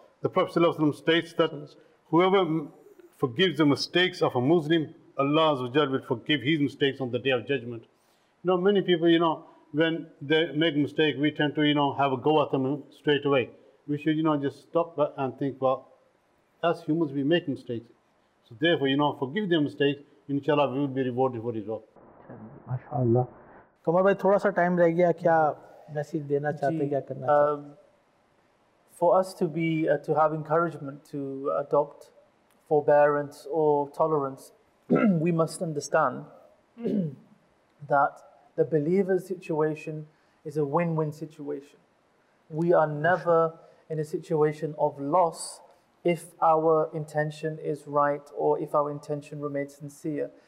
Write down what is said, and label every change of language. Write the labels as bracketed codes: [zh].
[en] The Prophet ﷺ states that whoever forgives the mistakes of a Muslim, Allah will forgive his mistakes on the Day of Judgment. You know, many people, you know, when they make a mistake, we tend to, you know, have a go at them straight away. We should, you know, just stop and think, well, as humans, we make mistakes. So therefore, you know, forgive their mistakes. Inshallah, we will be rewarded for it as well. [ur] ماشاءاللہ. قمر بھائی تھوڑا سا time رہ گیا, کیا message دینا چاہتے ہیں, کیا کرنا چاہتے ہیں؟ [en] For us to be to have encouragement to adopt forbearance or tolerance, we must understand that the believer's situation is a win-win situation. We are never in a situation of loss if our intention is right or if our intention remains sincere.